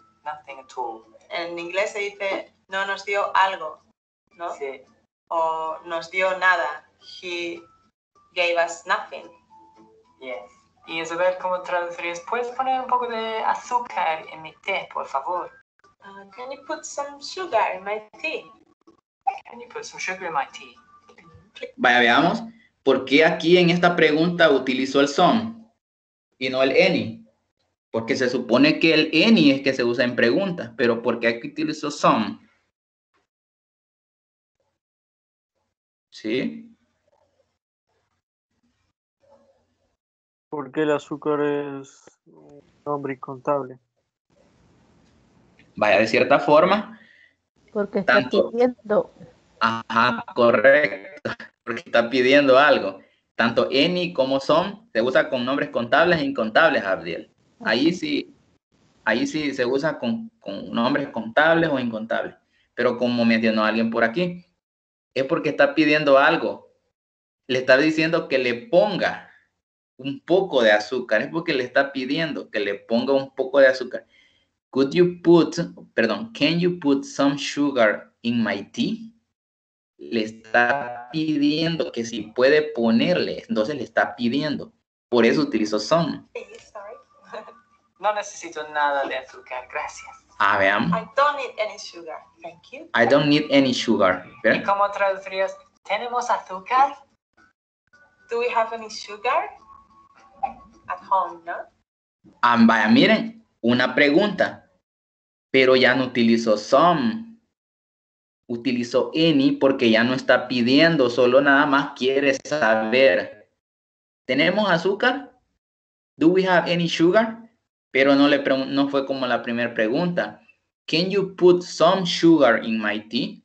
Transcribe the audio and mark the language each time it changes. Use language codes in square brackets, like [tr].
[en] Nothing at all. [es] En inglés se dice, no nos dio algo, ¿no? Sí. O nos dio nada. He gave us nothing. [en] Yes. [es] Y Isabel, ¿cómo traducirías? ¿Puedes poner un poco de azúcar en mi té, por favor? [en] Can you put some sugar in my tea? Can you put some sugar in my tea? [es] Vaya, veamos. ¿Por qué aquí en esta pregunta utilizó el some y no el any? Porque se supone que el any es que se usa en preguntas, pero ¿por qué aquí utilizó some? ¿Sí? Porque el azúcar es un nombre incontable. Vaya, de cierta forma. Porque está tanto... pidiendo. Ajá, correcto. Porque está pidiendo algo. Tanto any como son se usa con nombres contables e incontables, Abdiel. Ahí sí se usa con nombres contables o incontables. Pero como mencionó alguien por aquí, es porque está pidiendo algo. Le está diciendo que le ponga un poco de azúcar. Es porque le está pidiendo que le ponga un poco de azúcar. [en] Can you put some sugar in my tea? [es] Le está pidiendo que si puede ponerle, entonces le está pidiendo. Por eso utilizo son. No necesito nada de azúcar, gracias. Ah, vean. [en] I don't need any sugar, thank you. I don't need any sugar. [es] ¿Y cómo traducirías? ¿Tenemos azúcar? [en] Do we have any sugar? At home, ¿no? [es] Ah, vaya, miren, una pregunta. Pero ya no utilizo some. Utilizo any porque ya no está pidiendo, solo nada más quiere saber. [en] ¿Tenemos azúcar? Do we have any sugar? [es] Pero no, no fue como la primera pregunta. [en] Can you put some sugar in my tea?